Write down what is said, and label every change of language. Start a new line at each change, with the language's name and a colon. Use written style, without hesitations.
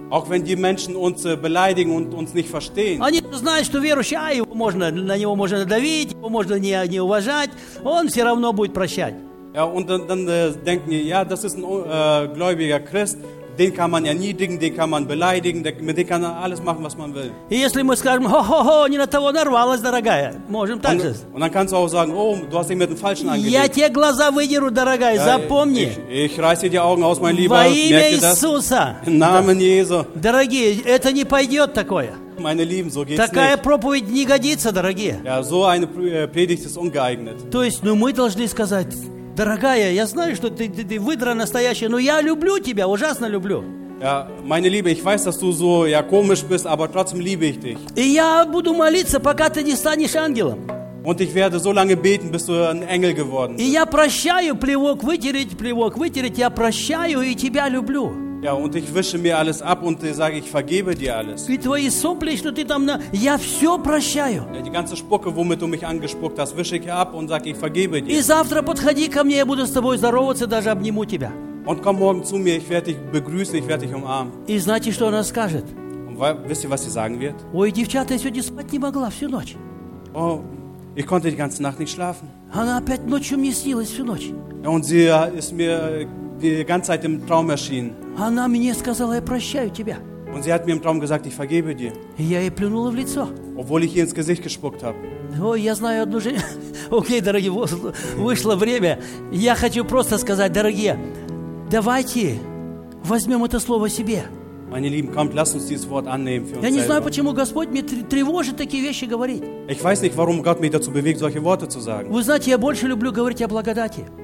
German: Auch wenn die Menschen uns beleidigen und uns nicht verstehen.
Russian: Они знают, что верующий, его можно, на него можно давить, его можно не уважать, он все равно будет прощать.
German: Ja, und dann denken die, ja, das ist ein gläubiger Christ, den kann man erniedrigen, den kann man beleidigen, mit dem kann man alles machen, was man will.
Russian: И если мы скажем: хо-хо-хо, не на того нарвалась, дорогая, можем так же.
German: Und dann kannst du auch sagen: oh, du hast ihm den falschen angelegt.
Russian: Я тебе глаза выдеру, дорогая, ja, запомни.
German: Ich reiße dir die Augen aus, mein Lieber.
Russian: Во имя Иисуса.
German: Im Namen Jesu.
Russian: Дорогие, это не пойдет такое.
German: Meine Lieben, so geht's
Russian: такая
German: nicht.
Russian: Проповедь не годится, дорогие.
German: Ja, so eine Predigt ist ungeeignet.
Russian: То есть, ну, мы должны сказать: дорогая, я знаю, что ты выдра настоящая, но я люблю тебя, ужасно люблю.
German: Ja, meine Liebe, ich weiß, dass du so ja, komisch bist, aber trotzdem liebe ich dich.
Russian: И я буду молиться, пока ты не станешь ангелом.
German: Und ich werde so lange beten, bis du ein Engel geworden bist.
Russian: И я прощаю, плевок вытереть, я прощаю и тебя люблю.
German: Ja, und ich wische mir alles ab und sage, ich vergebe dir alles.
Russian: И твои сопли, что ты там, я все прощаю.
German: Ja, die ganze Spucke, womit du mich angespuckt hast, wische ich ab und sage, ich vergebe dir.
Russian: И завтра подходи ко мне, я буду с тобой здороваться, даже обниму тебя.
German: Und komm morgen zu mir, ich werde dich begrüßen, ich werde dich umarmen.
Russian: И знаете, что она скажет?
German: Und wisst ihr, was sie sagen wird?
Russian: Ой, девчата, я сегодня спать не могла всю ночь.
German: Oh, ich konnte die ganze Nacht nicht schlafen.
Russian: Она опять ночью мне снилась всю ночь.
German: Ja, und sie ist mir die ganze Zeit im Traum erschienen.
Russian: Она мне сказала: я прощаю тебя.
German: Und sie hat mir im Traum gesagt, ich vergebe dir.
Russian: И я ей плюнула в лицо.
German: Obwohl ich ihr ins Gesicht gespuckt habe.
Russian: Ой, я знаю одну же... Окей, дорогие, вышло время. Я хочу просто сказать: дорогие, давайте возьмем это слово себе.
German: Meine Lieben, kommt, lasst uns dieses Wort annehmen für uns selber.
Russian: Я не знаю, почему Господь мне тревожит такие вещи говорить.
German: Ich weiß nicht, warum Gott mich dazu bewegt, solche Worte zu sagen.
Russian: Вы знаете, я больше люблю говорить о благодати.